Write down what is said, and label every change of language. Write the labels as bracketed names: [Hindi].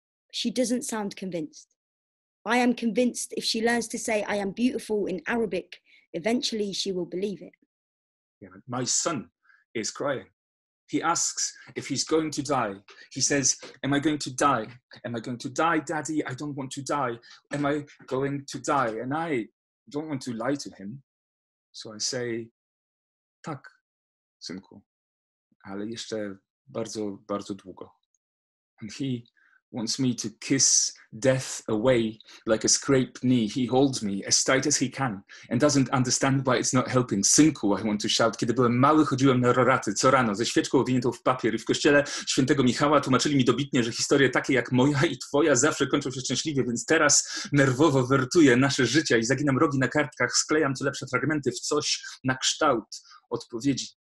[English] She doesn't sound convinced. I am convinced if she learns to say I am beautiful in Arabic, eventually she will believe it. Yeah, my son is crying. He asks if he's going to die. He says, am I going to die? Am I going to die, daddy? I don't want to die. Am I going to die? And I don't want to lie to him. So I say, [Polish] tak, synku, ale jeszcze bardzo, bardzo długo. [English] And he wants me to kiss death away like a scraped knee. He holds me as tight as he can and doesn't understand why it's not helping. [Polish] Synku, [English] I want to shout. [Polish] Kiedy byłem mały, chodziłem na roraty co rano ze świeczką owiniętą w papier I w kościele świętego Michała tłumaczyli mi dobitnie, że historie takie jak moja I twoja zawsze kończą się szczęśliwie, więc teraz nerwowo wertuję nasze życia I zaginam rogi na kartkach, sklejam co lepsze fragmenty w coś na kształt odpowiedzi.